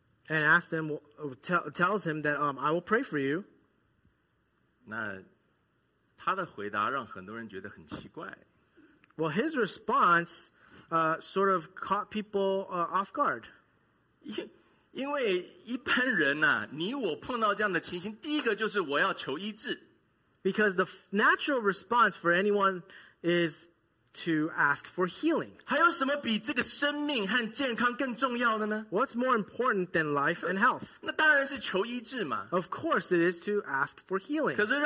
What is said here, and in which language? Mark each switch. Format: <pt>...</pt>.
<en>And asked him, tells him that I will pray for you.</en> <zh>那他的回答让很多人觉得很奇怪。</zh> <en>Well, his response sort of caught people off guard.</en> <zh>因为一般人啊,你我碰到这样的情形,第一个就是我要求医治。</zh> <en>Because the natural response for anyone is to ask for healing.</en> <zh>还有什么比这个生命和健康更重要的呢?</zh> <en>What's more important than life and health?</en> <zh>那当然是求医治嘛。</zh> <en>Of course it is to ask for healing.</en>